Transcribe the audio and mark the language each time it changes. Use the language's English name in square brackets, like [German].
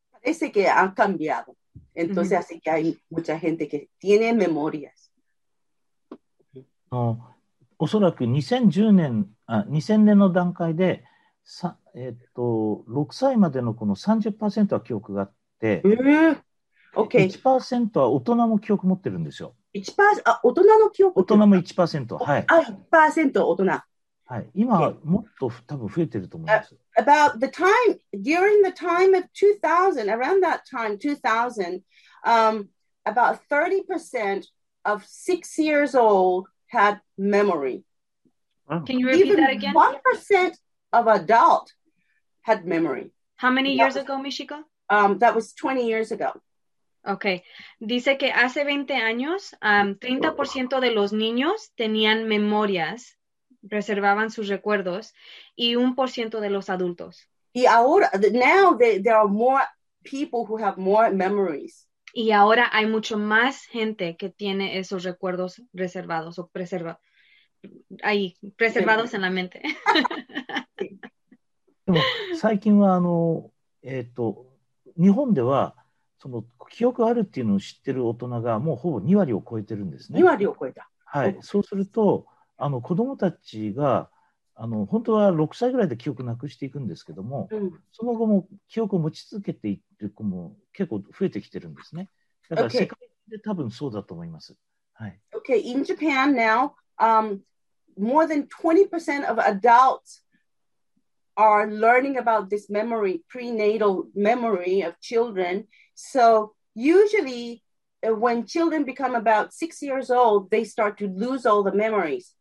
[Spanish] Parece que han cambiado, entonces así que hay mucha gente que tiene memorias. [Japanese] おそらく2010年、2000年の段階で、6歳までの子の 30% は記憶があって、 [English] okay. [Japanese] 1% は大人も記憶持ってるんですよ。大人の記憶、大人も 1%、はい、 1% 大人、はい、今はもっと、okay. 多分増えてると思います。 [English] About the time, during the time of 2000, around that time, 2000, about 30% of 6 years old had memory. Can you repeat Even that again? 1% of adult had memory. How many years ago, Michiko? That was 20 years ago. Okay. [Spanish] Dice que hace 20 años, 30% de los niños tenían memorias. Reservaban sus recuerdos y 1% de los adultos. Y ahora, [English] now there are more people who have more memories. [Spanish] Y ahora hay mucho más gente que tiene esos recuerdos reservados o preservados en la mente. [Japanese] でも最近は日本ではその記憶あるっていうのを知ってる大人がもうほぼ2割を超えてるんですね。 2割を超えた。はい、そうすると子供たちが本当は6歳ぐらいで記憶なくしていくんですけども、うん、その後も記憶を持ち続けている子も結構増えてきてるんですね。だから世界で多分そうだと思います。 Okay. はい。 [English] Okay, in Japan now, more than 20% of adults are learning about this memory, prenatal memory of children. So usually, when children become about 6 years old, they start to lose all the memories.